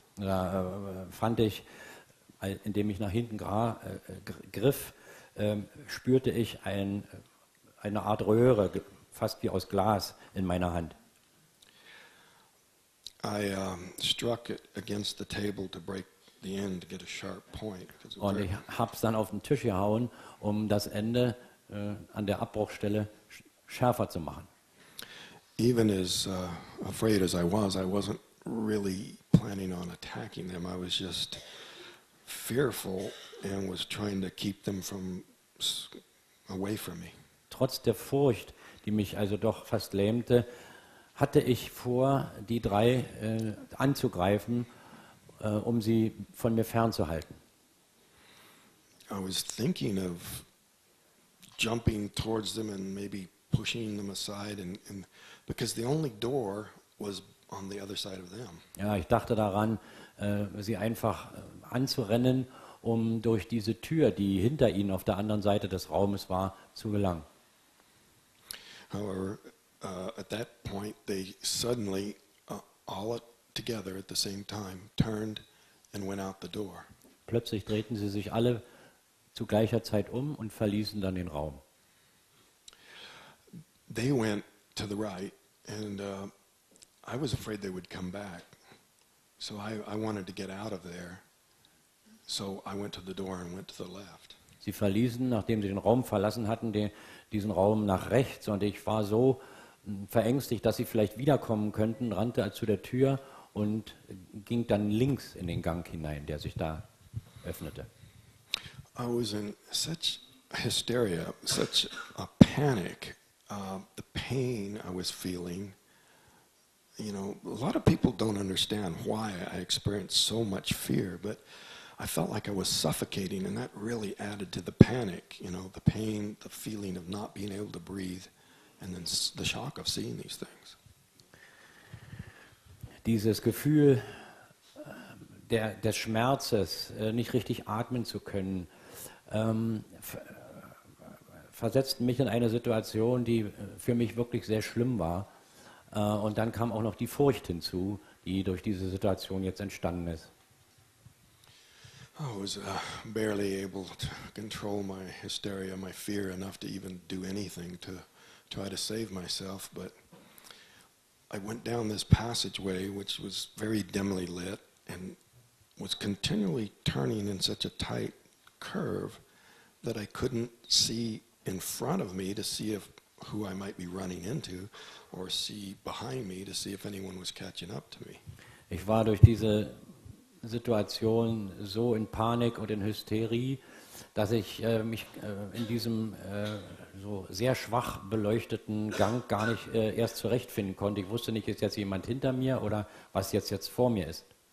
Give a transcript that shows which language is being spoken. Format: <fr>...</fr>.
<de>Da fand ich, indem ich nach hinten griff, spürte ich eine Art Röhre, fast wie aus Glas, in meiner Hand.</de> <en>I struck it against the table to break the end to get a sharp point.</en> <de>Und ich hab's dann auf den Tisch gehauen, um das Ende an der Abbruchstelle schärfer zu machen.</de> <en>Even as afraid as I was, I wasn't really planning on attacking them. I was just fearful and was trying to keep them from away from me.</en> <de>Trotz der Furcht, die mich also doch fast lähmte, hatte ich vor, die drei anzugreifen, um sie von mir fernzuhalten.</de> <en>I was thinking of jumping towards them and maybe pushing them aside, and because the only door was on the other side of them.</en> <de>Ja, ich dachte daran, sie einfach anzurennen, um durch diese Tür, die hinter ihnen auf der anderen Seite des Raumes war, zu gelangen.</de> <en>However, at that point, they suddenly, all together at the same time, turned and went out the door.</en> <de>Plötzlich drehten sie sich alle zu gleicher Zeit um und verließen dann den Raum.</de> <en>They went to the right and I was afraid they would come back. So I wanted to get out of there. So I went to the door and went to the left.</en> <de>Sie verließen, nachdem sie den Raum verlassen hatten, diesen Raum nach rechts, und ich war so verängstigt, dass sie vielleicht wiederkommen könnten, rannte zu der Tür und ging dann links in den Gang hinein, der sich da öffnete.</de> <en>I was in such hysteria, such a panic, the pain I was feeling. You know, a lot of people don't understand why I experienced so much fear, but I felt like I was suffocating, and that really added to the panic, you know, the pain, the feeling of not being able to breathe, and then the shock of seeing these things.</en> <de>Dieses Gefühl des Schmerzes, nicht richtig atmen zu können, versetzt mich in eine Situation, die für mich wirklich sehr schlimm war. Und dann kam auch noch die Furcht hinzu, die durch diese Situation jetzt entstanden ist.</de> <en>I was barely able to control my hysteria, my fear, enough to even do anything to try to save myself. But I went down this passageway, which was very dimly lit, and was continually turning in such a tight curve that I couldn't see in front of me to see if who I might be running into, or see behind me to see if anyone was catching up to me.</en> <de>Ich war durch diese Situation so in Panik und in Hysterie, dass ich mich in diesem so sehr schwach beleuchteten Gang gar nicht erst zurechtfinden konnte. Ich wusste nicht, ist jetzt jemand hinter mir oder was jetzt vor mir ist.</de>